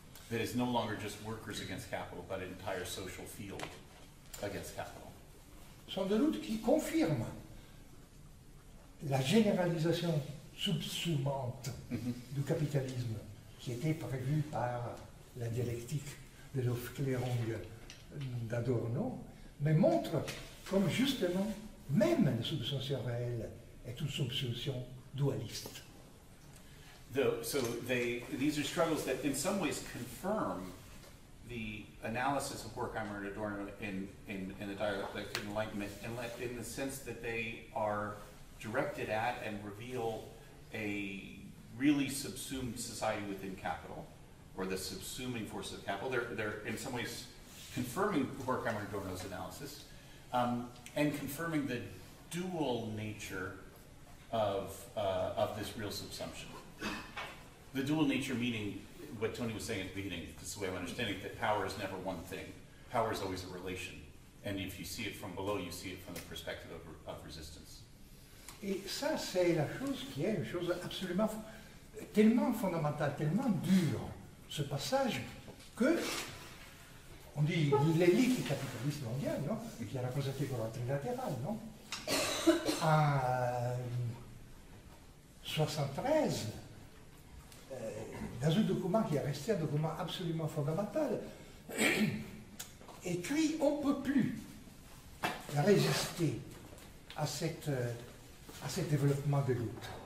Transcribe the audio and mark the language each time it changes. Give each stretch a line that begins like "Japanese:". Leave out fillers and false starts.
English: That is no longer just workers against capital, but an entire social field against capital.
French: Sont des luttes qui confirment la généralisation subsumante du capitalisme qui était prévue par la dialectique de l'Aufklärung d'Adorno, mais montre comme justement même la subsumption réelle est une subsumption dualiste.
English: These are struggles that in some ways confirm the analysis of Horkheimer and Adorno in the dialectic enlightenment, and in the sense that they are directed at and reveal a really subsumed society within capital, or the subsuming force of capital. They're in some ways confirming Horkheimer and Adorno's analysis, and confirming the dual nature of this real subsumption. The dual nature meaning what Toni was saying at the beginning, this is the way I'm understanding it, that power is never one thing. Power is always a relation. And if you see it from below, you see it from the perspective of resistance.
French: Et ça, c'est la chose qui est une chose absolument tellement fondamentale, tellement dure, ce passage, que on dit l'élite du capitalisme mondial, non? Et qui a représenté comme un trilatéral, non? En 73, dans un document qui est resté un document absolument fondamental, écrit, on ne peut plus résister à ce développement de lutte.